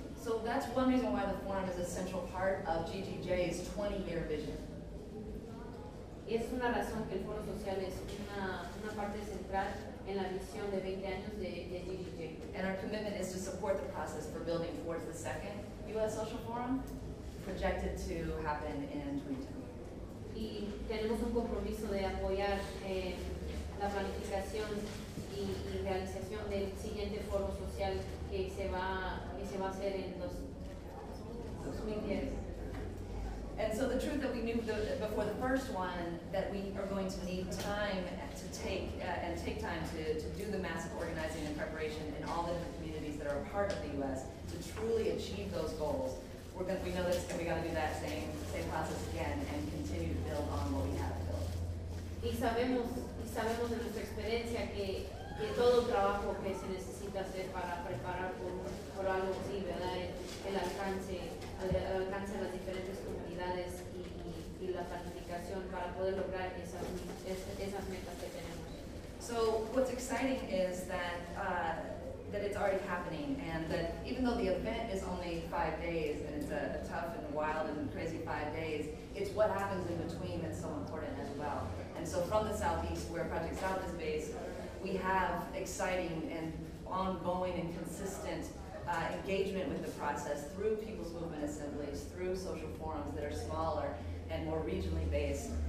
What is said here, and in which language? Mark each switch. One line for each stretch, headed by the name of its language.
English: So that's one reason why the forum is a central part of GGJ's 20-year vision.
Spanish: Es una razón que el foro social es una parte central en la visión de 20 años de GGJ.
English: And our commitment is to support the process for building towards the second U.S. Social Forum, projected to happen in 2020.
Spanish: Y tenemos un compromiso de apoyar la planificación y realización del siguiente foro social que se va a hacer en 2010.
English: And so the truth that we knew before the first one, that we are going to need time to take and take time to do the massive organizing and preparation in all the different communities that are a part of the U.S. to truly achieve those goals. We know this, and we got to do that same process again and continue to build on what we have built.
Spanish: Y sabemos de nuestra experiencia que todo el trabajo que se necesita hacer para preparar por algo así, ¿verdad? El alcance de las diferentes comunidades y la planificación para poder lograr esas metas que tenemos.
English: So what's exciting is that it's already happening, and that even though the event is only 5 days and it's a tough and wild and crazy 5 days, it's what happens in between that's so important as well. And so from the Southeast, where Project South is based, we have exciting and ongoing and consistent engagement with the process through people's movement assemblies, through social forums that are smaller and more regionally based.